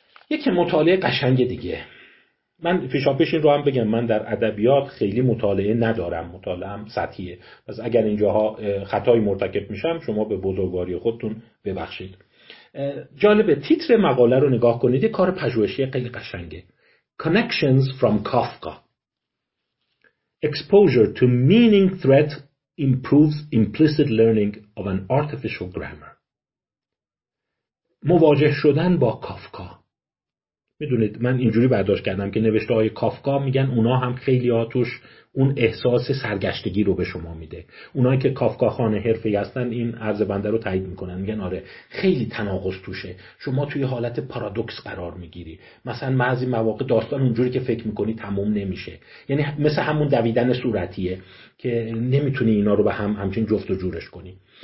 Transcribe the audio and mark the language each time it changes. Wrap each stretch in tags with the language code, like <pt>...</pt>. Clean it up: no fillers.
<fa>یکی مطالعه قشنگ دیگه. من پیشاپیش این رو هم بگم، من در ادبیات خیلی مطالعه ندارم، مطالعه‌ام سطحیه. پس اگر اینجاها خطایی مرتکب میشم شما به بزرگواری خودتون ببخشید. جالبه تیتر مقاله رو نگاه کنید، یه کار پژوهشی خیلی قشنگه.</fa> <en>Connections from Kafka. Exposure to meaning threat improves implicit learning of an artificial grammar.</en> <fa>مواجه شدن با کافکا. میدونید من اینجوری برداشت کردم که نوشته های کافکا میگن اونا هم خیلی هاتوش اون احساس سرگشتگی رو به شما میده. اونایی که کافکا خانه حرفه‌ای هستن این عرض بنده رو تایید میکنن، میگن آره خیلی تناقض توشه، شما توی حالت پارادوکس قرار میگیری، مثلا بعضی مواقع داستان اونجوری که فکر میکنی تموم نمیشه، یعنی مثل همون دویدن صورتیه که نمیتونی اینا رو به هم همچین جفت و جورش کنی.</fa>